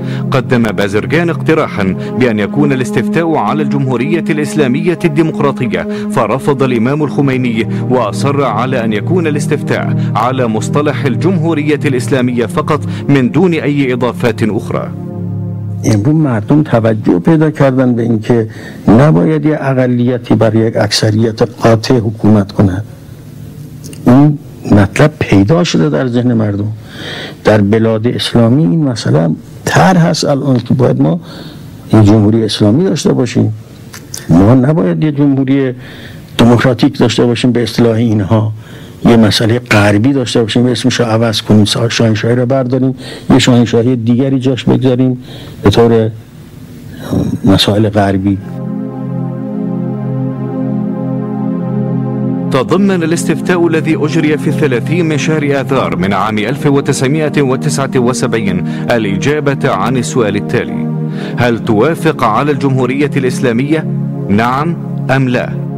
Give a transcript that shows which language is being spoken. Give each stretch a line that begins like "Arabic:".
Arabic: قدم بازرجان اقتراحا بأن يكون الاستفتاء على الجمهورية الإسلامية الديمقراطية، فرفض الإمام الخميني وأصر على أن يكون الاستفتاء على مصطلح الجمهورية الإسلامية فقط من دون أي إضافات أخرى.
Persian: امروز مردم توجه پیدا کردن به اینکه نباید یک اقلیتی بر یک اکثریت قاطع حکومت کند. این مطلب پیدا شده در ذهن مردم. در بلاد اسلامی این مسئله طرح هست الان که باید ما یه جمهوری اسلامی داشته باشیم. ما نباید یه جمهوری دموکراتیک داشته باشیم به اصطلاح اینها، یه مسئله غربی داشته باشیم و اسمشو عوض کنیم، شاهنشاهی رو برداریم یه شاهنشاهی دیگری جاش بگذاریم به طور مسائل غربی.
Arabic: تضمن الاستفتاء الذي أجري في 30 من شهر آذار من عام 1979 الإجابة عن السؤال التالي: هل توافق على الجمهورية الإسلامية؟ نعم أم لا؟